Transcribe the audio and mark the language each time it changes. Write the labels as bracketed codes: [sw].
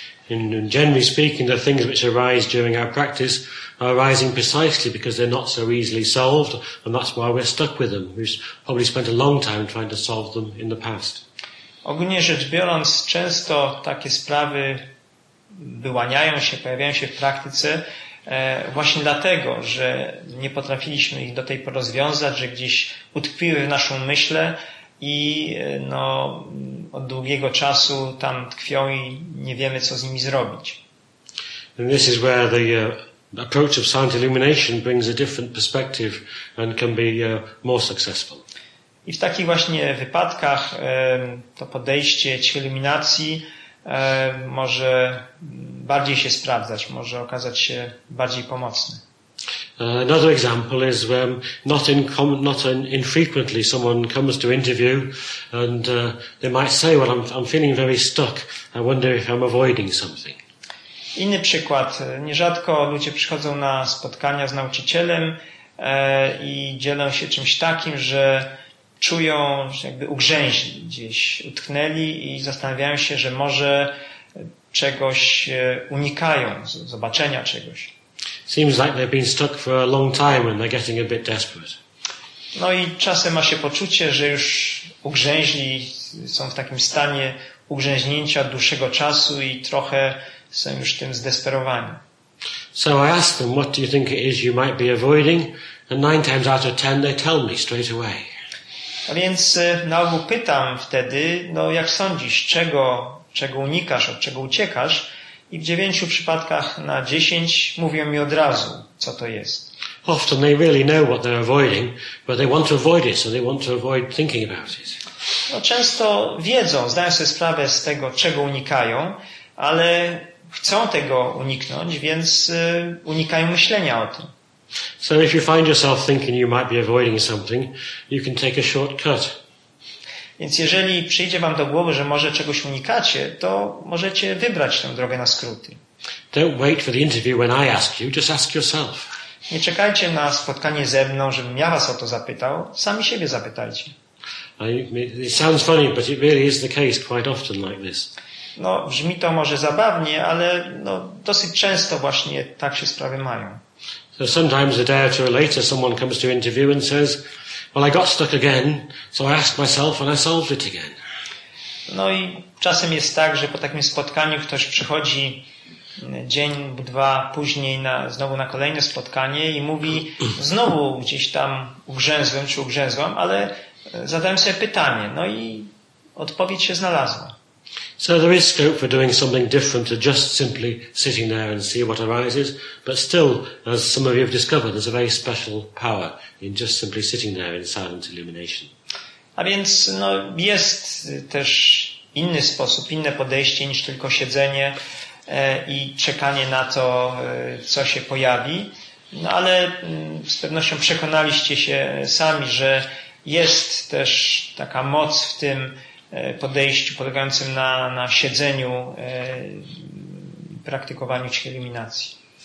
[en] And generally speaking, the things which arise during our practice are arising precisely because they're not so easily solved, and that's why we're stuck with them. We've probably spent a long time trying to solve them in the past. [pl] Ogólnie rzecz biorąc, często takie sprawy wyłaniają się, pojawiają się w praktyce właśnie dlatego, że nie potrafiliśmy ich do tej pory rozwiązać, że gdzieś utkwiły w naszą myśle i no, od długiego czasu tam tkwią i nie wiemy, co z nimi zrobić. [en] And this is where the approach of silent illumination brings a different perspective and can be more successful. [pl] I w takich właśnie wypadkach to podejście ćwiluminacji może bardziej się sprawdzać, może okazać się bardziej pomocne. [en] Another example is when not infrequently someone comes to interview and they might say, well, I'm feeling very stuck. I wonder if I'm avoiding something. [pl] Inny przykład. Nierzadko ludzie przychodzą na spotkania z nauczycielem i dzielą się czymś takim, że czują, że jakby ugrzęźli gdzieś, utknęli i zastanawiają się, że może czegoś unikają, zobaczenia czegoś. [en] Seems like they've been stuck for a long time and they're getting a bit desperate. [pl] No i czasem ma się poczucie, że już ugrzęźli, są w takim stanie ugrzęźnięcia od dłuższego czasu i trochę są już tym zdesperowani. [en] So I ask them, what do you think it is you might be avoiding? And 9 times out of 10 they tell me straight away. [pl] A więc na ogół pytam wtedy, no jak sądzisz, czego unikasz, od czego uciekasz? I w 9 przypadkach na 10 mówią mi od razu, co to jest. [en] Often they really know what they're avoiding, but they want to avoid it, so they want to avoid thinking about it. [pl] No często wiedzą, zdają sobie sprawę z tego, czego unikają, ale chcą tego uniknąć, więc unikają myślenia o tym. [en] So if you find yourself thinking you might be avoiding something, you can take a shortcut. [pl] Więc jeżeli przyjdzie wam do głowy, że może czegoś unikacie, to możecie wybrać tę drogę na skróty. [en] Don't wait for the interview when I ask you, just ask yourself. [pl] Nie czekajcie na spotkanie ze mną, żebym ja was o to zapytał, sami siebie zapytajcie. [en] It sounds funny, but it really is the case quite often like this. [pl] No, brzmi to może zabawnie, ale no, dosyć często właśnie tak się sprawy mają. [en] So sometimes a day or two later someone comes to interview and says, well, I got stuck again, so I asked myself and I solved it again. [pl] No i czasem jest tak, że po takim spotkaniu ktoś przychodzi dzień lub dwa później znowu na kolejne spotkanie i mówi, znowu gdzieś tam ugrzęzłem czy ugrzęzłam, ale zadałem sobie pytanie, no i odpowiedź się znalazła. [en] So there is scope for doing something different to just simply sitting there and see what arises, but still, as some of you have discovered, there's a very special power in just simply sitting there in silent illumination. [pl] A więc no, jest też inny sposób, inne podejście niż tylko siedzenie i czekanie na to, co się pojawi. No, ale z pewnością przekonaliście się sami, że jest też taka moc w tym podejściu polegającym na siedzeniu, praktykowaniu czy eliminacji.